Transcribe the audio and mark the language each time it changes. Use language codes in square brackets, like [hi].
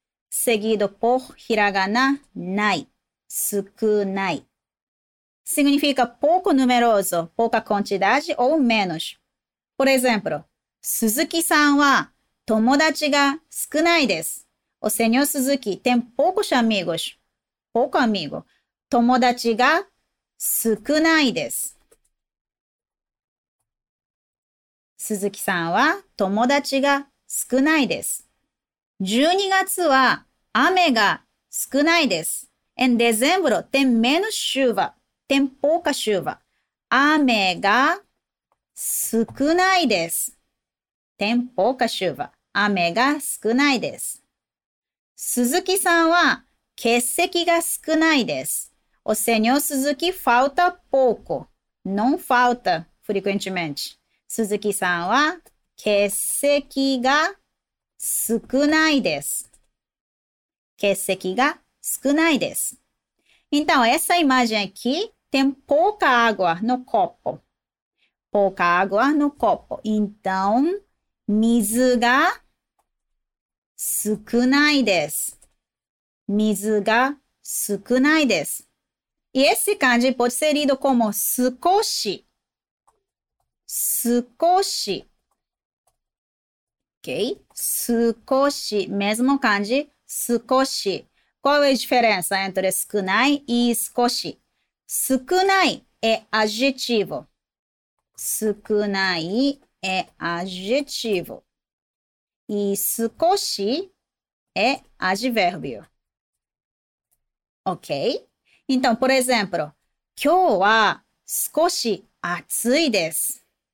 [pt] seguido por ひらがな、ない。少ない。Significa pouco numeroso, pouca quantidade ou menos. Por exemplo, [ja] 鈴木さんは友達が少ないです。 [pt] O senhor Suzuki tem poucos amigos. Pouco amigo. [ja] 友達が少ないです。鈴木さんは友達が少ないです。 12月は雨が少ないです。 [pt] Em dezembro, tem menos chuva. Tem pouca chuva. [ja] 雨が少ないです。 [pt] Tem pouca chuva. [ja] 雨が少ないです。鈴木さんは欠席が少ないです。 [pt] O senhor Suzuki falta pouco. Não falta frequentemente. [ja] 鈴木さんは欠席が少ないです。欠席が少ないです。 [pt] Então, essa imagem aqui tem pouca água no copo. Pouca água no copo. [ja] Então, 水が少ないです。水が少ないです。 [pt] E esse kanji pode ser lido como 少し。 [ja] 少し。Ok? 少し。 [pt] Mesmo kanji, 少し。 Qual é a diferença entre 少ない e 少し? 少ない é adjetivo. 少ない é adjetivo. E 少し é advérbio. Ok? Então, por exemplo, [ja] 今日は少し暑いです。